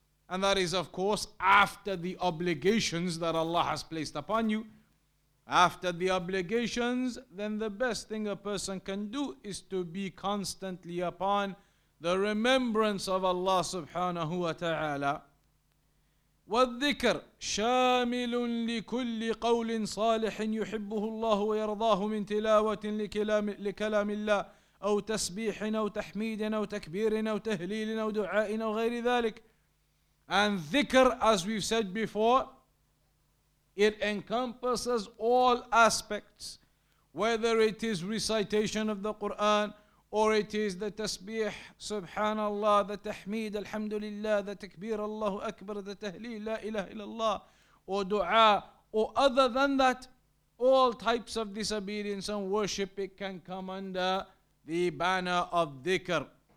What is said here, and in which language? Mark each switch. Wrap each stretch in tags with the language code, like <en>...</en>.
<en>And that is, of course, after the obligations that Allah has placed upon you. After the obligations, then the best thing a person can do is to be constantly upon the remembrance of Allah subhanahu wa ta'ala.</en> <ar>وَالذِّكْرُ شَامِلٌ لِكُلِّ قَوْلٍ صَالِحٍ يُحِبُّهُ اللَّهُ وَيَرْضَاهُ مِنْ تِلَاوَةٍ لِكَلَامِ اللَّهِ أو تسبيح أو تحميد أو تكبير أو تهليل أو دعاء أو غير ذلك.</ar> <en>And dhikr, as we've said before, it encompasses all aspects, whether it is recitation of the Quran or it is the tasbih, subhanallah, the tahmid, alhamdulillah, the takbir, Allahu akbar, the tahleel, la ilaha illallah, or dua, or other than that, all types of disobedience and worship, it can come under the banner of dhikr.</en>